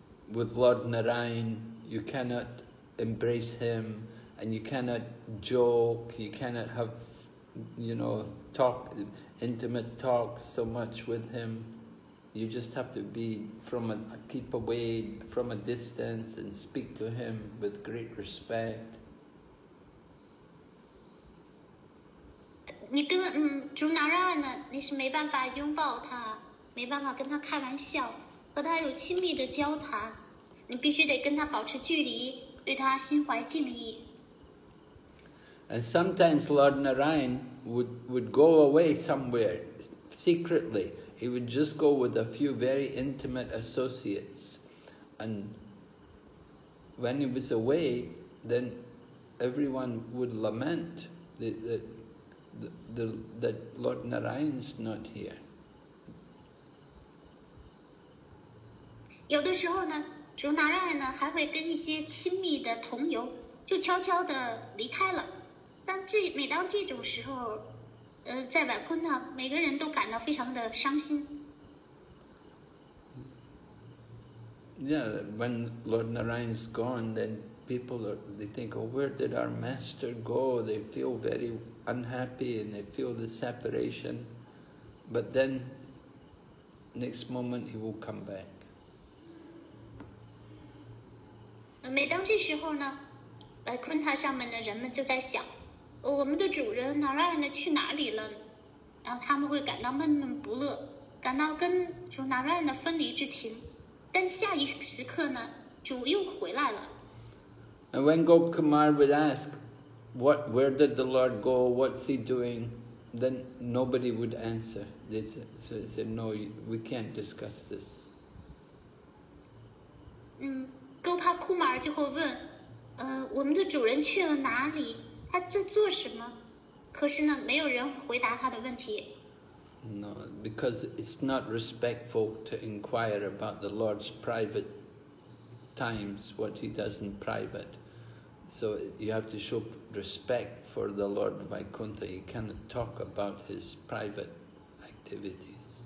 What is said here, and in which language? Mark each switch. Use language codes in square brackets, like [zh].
[en] With Lord Narayan, you cannot embrace him, and you cannot joke, you cannot have, you know, talk, intimate talks so much with him. You just have to be from a keep away from a distance and speak to him with great respect. [zh] 你跟主拿拉呢，你是没办法拥抱他，没办法跟他开玩笑，和他有亲密的交谈，你必须得跟他保持距离，对他心怀敬意。 [en] And sometimes Lord Narayan would go away somewhere secretly. He would just go with a few very intimate associates. And when he was away, then everyone would lament that Lord Narayan is not here. [zh] 有的时候呢，主拿瑞呢还会跟一些亲密的同游就悄悄地离开了。但这每当这种时候，在瓦昆呢，每个人都感到非常的伤心。 [en] Yeah, when Lord Narayan is gone, then people they think, oh, where did our master go? They feel very unhappy and they feel the separation. But then, next moment, he will come back. [zh] 每当这时候呢，白昆塔上面的人们就在想，我们的主人 Narayan 去哪里了？然后他们会感到闷闷不乐，感到跟主 Narayan 的分离之情。但下一时刻呢，主又回来了。 [en] And when Gop Kumar would ask, "What? Where did the Lord go? What's he doing?" Then nobody would answer. They said, "So they said, no, we can't discuss this." [zh] 嗯 ，Gopa Kumar 就会问，我们的主人去了哪里？他在做什么？可是呢，没有人回答他的问题。 [en] No, because it's not respectful to inquire about the Lord's private times, what he does in private. So you have to show respect for the Lord Vaikuntha. You cannot talk about his private activities.